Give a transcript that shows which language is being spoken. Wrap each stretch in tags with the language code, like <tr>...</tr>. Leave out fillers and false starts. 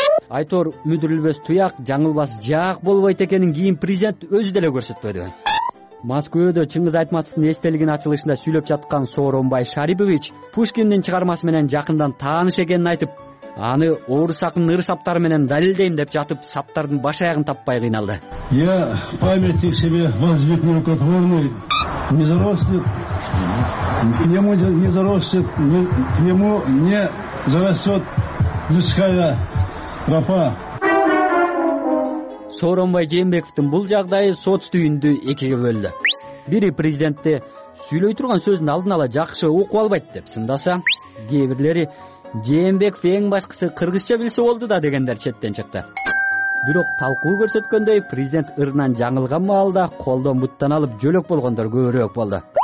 <ky>Айтор мүдүрүлбөс туяк, жаңылбас жаак болбойт экенин кийин президент өзү деле көрсөтпөдү. Москвада Чыңгыз Айтматовдун эстелигинин ачылышында сүйлөп жаткан Сооронбай Шарипович Пушкиндин чыгармасы менен жакындан тааныш экенин айтып, аны орус акынын ыр саптары менен далилдейм деп жатып саптардын баш аягын таппай кыйналды.</ky> <ru>Я памятник себе возвек нерукотворный, не заросли, ему не заросли, ему не зарастет людская тропа.</ru> <ky>Сооронбай Жээнбековдун бул жагдайы соц түйүндү экиге бөлдү. Бири президентти сүйлөй турган сөзүн алдын ала жакшы окуп албайт деп сындаса, кээ бирлери Жээнбеков эң башкысы кыргызча билсе болду да дегендер четтен чыкты. Бирок талкуу көрсөткөндөй президент ырынан жаңылган маалда колдон буттан алып жөлөк болгондор көбүрөөк болду.</ky>